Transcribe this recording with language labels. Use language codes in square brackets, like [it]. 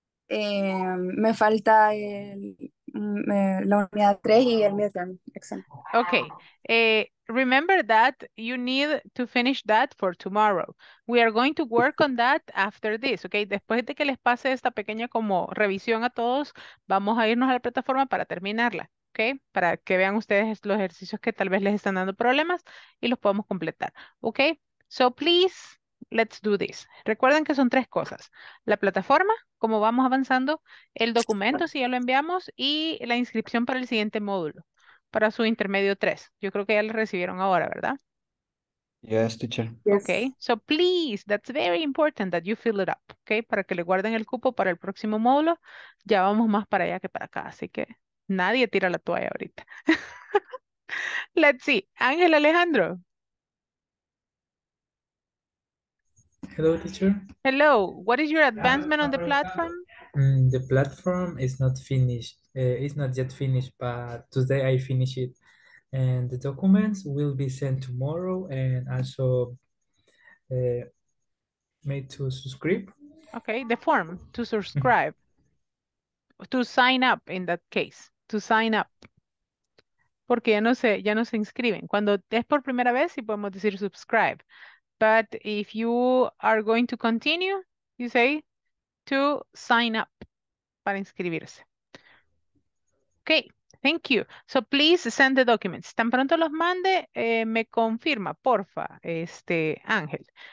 [es] Me falta la unidad 3 y el midterm exam. [en] Okay. Remember that you need to finish that for tomorrow. We are going to work on that after this, okay? [es] Después de que les pase esta pequeña como revisión a todos, vamos a irnos a la plataforma para terminarla, okay? Para que vean ustedes los ejercicios que tal vez les están dando problemas y los podemos completar, okay? [en] So please, let's do this. [es] Recuerden que son tres cosas. La plataforma, cómo vamos avanzando, el documento, si ya lo enviamos, y la inscripción para el siguiente módulo. Para su intermedio 3. Yo creo que ya lo recibieron ahora, ¿verdad? [en] Yes, teacher. Okay, so please, that's very important that you fill it up, okay? [es] Para que le guarden el cupo para el próximo módulo. Ya vamos más para allá que para acá, así que nadie tira la toalla ahorita. [en] Let's see. Ángel Alejandro. Hello, teacher. Hello. What is your advancement on the platform? The platform is not finished. It's not yet finished, but today I finish it. And the documents will be sent tomorrow and also made to subscribe. Okay, the form to subscribe. To sign up in that case. To sign up. [es] Porque ya no se inscriben. Cuando es por primera vez, sí podemos decir subscribe. [en] But if you are going to continue, you say to sign up. [es] Para inscribirse. [en] Okay, thank you. So please send the documents. [es] Tan pronto los mande, me confirma, porfa, Ángel.